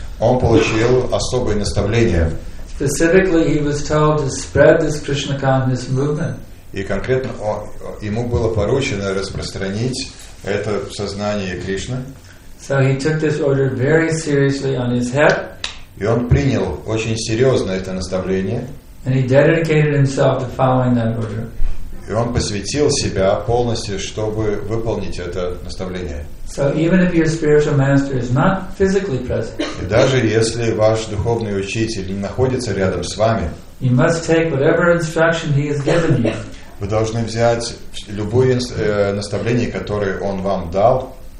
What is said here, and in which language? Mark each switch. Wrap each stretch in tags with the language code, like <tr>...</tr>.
<ru>Он получил особое наставление.</ru> <en>Specifically, he was told to spread this Krishna consciousness movement.</en> <ru>И конкретно ему было поручено распространить это сознание Кришны.</ru> <en>So he took this order very seriously on his head.</en> <ru>И он принял очень серьезно это наставление.</ru> <en>And he dedicated himself to following that order.</en> <ru>И он посвятил себя полностью, чтобы выполнить это наставление.</ru> <en>So even if your spiritual master is not physically present,</en> <ru>и даже если ваш духовный учитель находится рядом с вами,</ru> <en>you must take whatever instruction he has given you.</en> <ru>Вы должны взять любое наставление, которое он вам дал.</ru>